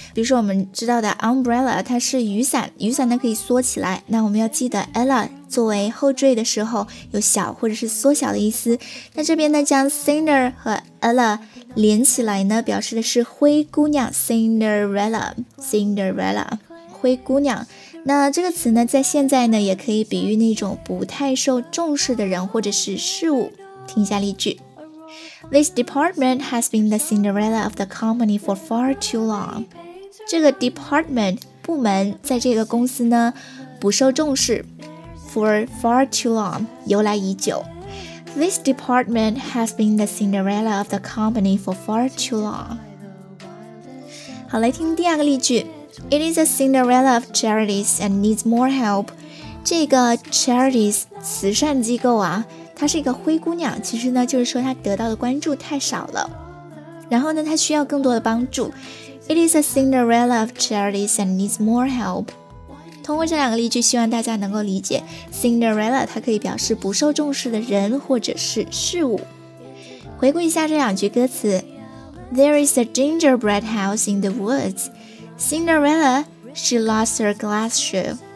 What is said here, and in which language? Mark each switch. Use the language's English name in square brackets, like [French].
[Chinese] 比如说我们知道的 Umbrella， 它是雨伞，雨伞呢可以缩起来，那我们要记得 Ella作为后缀的时候有小或者是缩小的意思。那这边呢，将 Cinder 和 Ella 连起来呢，表示的是灰姑娘 Cinderella， Cinderella 灰姑娘。那这个词呢，在现在呢也可以比喻那种不太受重视的人或者是事物。听一下例句， [English] This department has been the Cinderella of the company for far too long。 [Chinese] 这个 department 部门在这个公司呢不受重视， [English] For far too long， [Chinese] 由来已久。 [English] This department has been the Cinderella of the company for far too long。 [Chinese] 好，来听第二个例句， [English] It is a Cinderella of charities and needs more help。 [Chinese] 这个 charities 慈善机构啊，它是一个灰姑娘，其实呢就是说它得到的关注太少了，然后呢它需要更多的帮助。 [English] It is a Cinderella of charities and needs more help。 [Chinese] 通过这两个例句，希望大家能够理解 Cinderella 它可以表示不受重视的人或者是事物。回顾一下这两句歌词， [English] There is a gingerbread house in the woods， Cinderella she lost her glass shoe。